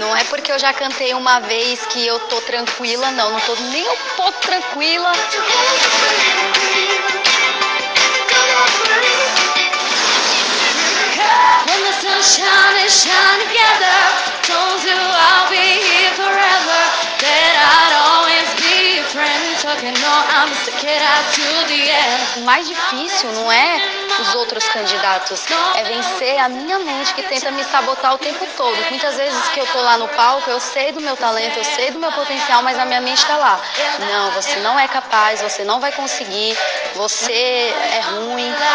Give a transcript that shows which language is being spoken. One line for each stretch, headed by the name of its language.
Portuguese: porque eu já cantei uma vez que eu tô tranquila. Não, não tô nem um pouco tranquila.
English: When the sun shine and shine together, told you I'll be here forever, that I'd always be your friend, so you know I'm stuck it out to the end.
Portuguese: O mais difícil não é os outros candidatos, é vencer a minha mente que tenta me sabotar o tempo todo. Muitas vezes que eu tô lá no palco, eu sei do meu talento, eu sei do meu potencial, mas a minha mente tá lá. Não, você não é capaz, você não vai conseguir, você é ruim.